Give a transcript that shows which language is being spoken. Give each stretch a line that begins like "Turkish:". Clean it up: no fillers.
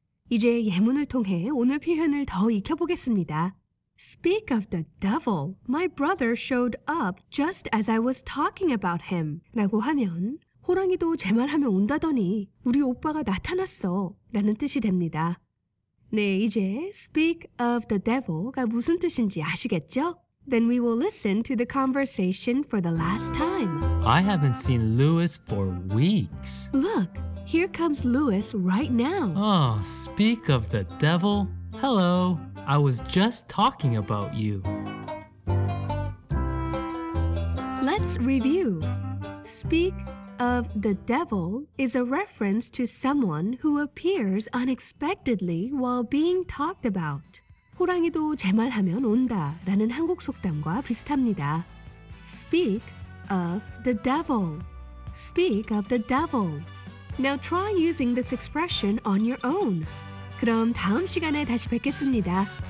Korean: 이제 예문을 통해 오늘 표현을 더 익혀보겠습니다.
English: Speak of the devil. My brother showed up just as I was talking about him.
Korean: 라고 하면 호랑이도 제 말하면 온다더니 우리 오빠가 나타났어 라는 뜻이 됩니다. 네, 이제
English: speak of the devil
Korean: 가 무슨 뜻인지 아시겠죠?
English: Then we will listen to the conversation for the last time. I haven't seen Louis for weeks. Look, here comes Louis right now. Oh, speak of the devil. Hello, I was just talking about you. Let's review. Speak of the devil is a reference to someone who appears unexpectedly while being talked about.
Korean: 호랑이도 제 말하면 온다 라는 한국 속담과 비슷합니다.
English: Speak of the devil. Speak of the devil. Now try using this expression on your own.
Korean: 그럼 다음 시간에 다시 뵙겠습니다.